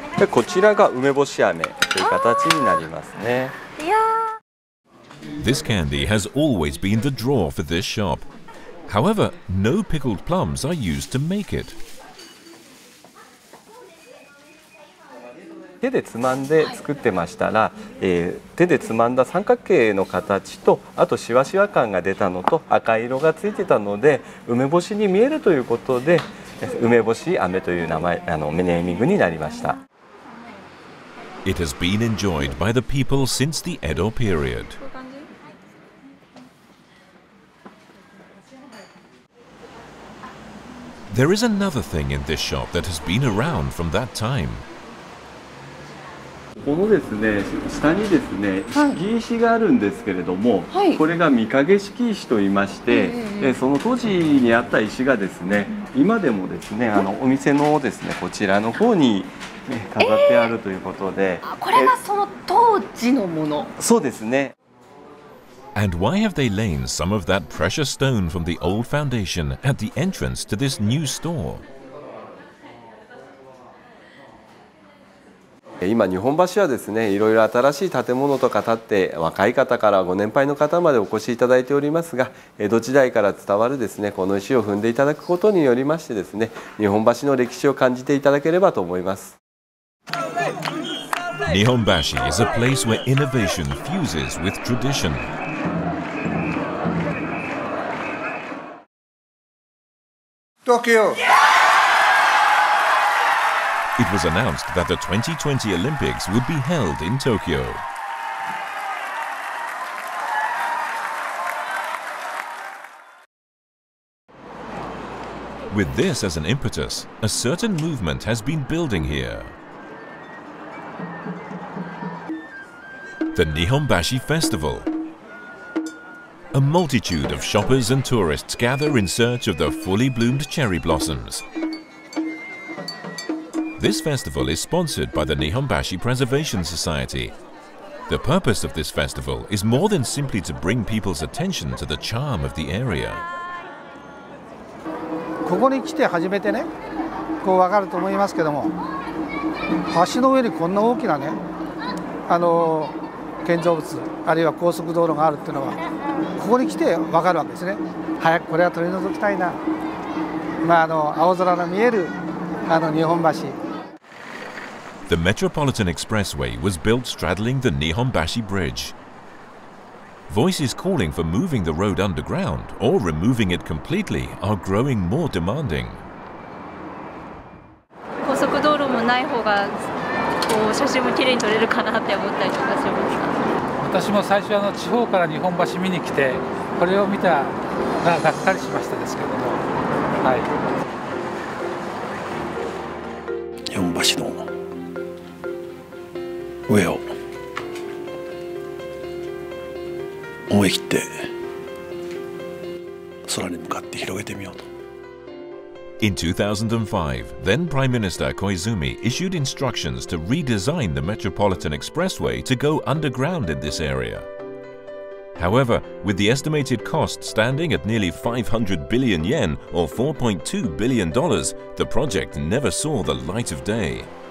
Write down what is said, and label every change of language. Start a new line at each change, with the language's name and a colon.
Japanese: こちらが梅干し飴という形になりますね。
English: This candy has always been the draw for this shop. However, no pickled plums are used to make it.
Japanese: 手でつまんで作ってましたら、手でつまんだ三角形の形と、あとシワシワ感が出たのと赤色がついてたので、梅干しに見えるということで、梅干し飴という名前、ネーミングになりました。
English: It has been enjoyed by the people since the Edo period. There is another thing in this shop that has been around from that time.
Japanese: このですね、下にですね、敷石があるんですけれども、これが御影敷石といいまして、その当時にあった石がですね、今でもですね、お店のですね、こちらの方に飾ってあるということで、これがその当時のもの。そうですね。
English: And why have they lain some of that precious stone from the old foundation at the entrance to this new store?
Japanese: 今日本橋はですね、いろいろ新しい建物とか建って、若い方からご年配の方までお越しいただいておりますが、江戸時代から伝わるですね、この石を踏んでいただくことによりましてですね、日本橋の歴史を感じていただければと思います。
English: 日本橋 is a place where innovation fuses with tradition. Tokyo! It was announced that the 2020 Olympics would be held in Tokyo. With this as an impetus, a certain movement has been building here. The Nihonbashi Festival. A multitude of shoppers and tourists gather in search of the fully bloomed cherry blossoms. This festival is sponsored by the Nihonbashi Preservation Society. The purpose of this festival is more than simply to bring people's attention to the charm of the area.
Japanese: ここに来て初めてね、こう分かると思いますけども、橋の上にこんな大きなね、あの建造物、あるいは高速道路があるっていうのは、ここに来て分かるわけですね。早くこれは取り除きたいな。まあ、あの青空の見えるあの日本橋。
English: The Metropolitan Expressway was built straddling the Nihonbashi Bridge. Voices calling for moving the road underground or removing it completely are growing more demanding.
Japanese: 高速道路もない方がこう写真も綺麗に撮れるかなって思ったりとかしました。私も最初あの地方から日本橋見に来て、これを見たらがっかりしましたですけども、はい。日本橋の上を思い切って空に向かって広げてみようと。
English: In 2005, then Prime Minister Koizumi issued instructions to redesign the Metropolitan Expressway to go underground in this area. However, with the estimated cost standing at nearly 500 billion yen or $4.2 billion, the project never saw the light of day.